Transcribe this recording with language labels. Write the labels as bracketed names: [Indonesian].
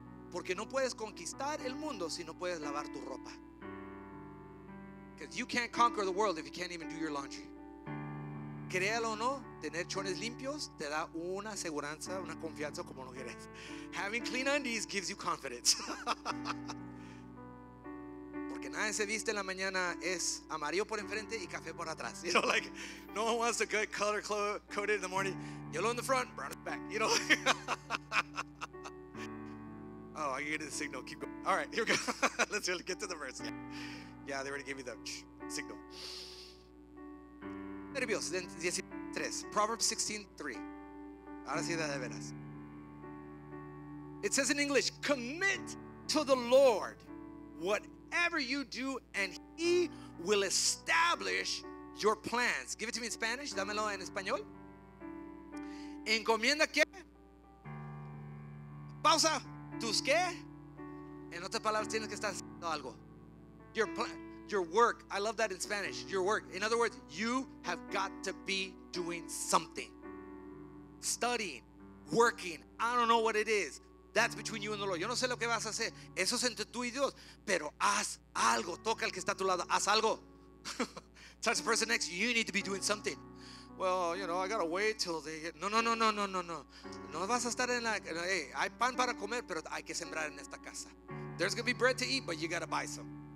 [Spanish] Porque no puedes conquistar el mundo si no puedes lavar tu ropa. [English] Because you can't conquer the world if you can't even do your laundry. [Spanish] Créalo o no, tener chones limpios te da una seguridad, una confianza como lo quieres. [English] Having clean undies gives you confidence. [Spanish] Porque nadie se viste en la mañana, es amarillo por enfrente y café por atrás. [English] You know, like, no one wants a good color coded in the morning. Yellow in the front, brown in the back. You know. Oh, I get the signal. Keep going. All right, here we go. Let's really get to the verse. Yeah, they already gave me the signal. [Spanish] Proverbios 16:3. Proverbs 16:3. Ahora sí, de veras. [English] It says in English, commit to the Lord whatever you do, and He will establish your plans. Give it to me in Spanish. [Spanish] Dámelo en español. Encomienda qué? Pausa. Tus qué? En otras palabras, tienes que estar haciendo algo. [English] Your plan. Your work. I love that in Spanish. Your work. In other words, you have got to be doing something. Studying, working. I don't know what it is. That's between you and the Lord. [Spanish] Yo no sé lo que vas a hacer. Eso es entre tú y Dios. Pero haz algo. Toca al que está a tu lado. Haz algo. [English] Touch the person next. You need to be doing something. Well, you know, I gotta wait till they get. [Spanish] No, no, no, no, no, no, no. No vas a estar en la. Hey, hay pan para comer, pero hay que sembrar en esta casa. [English] There's gonna be bread to eat, but you gotta buy some.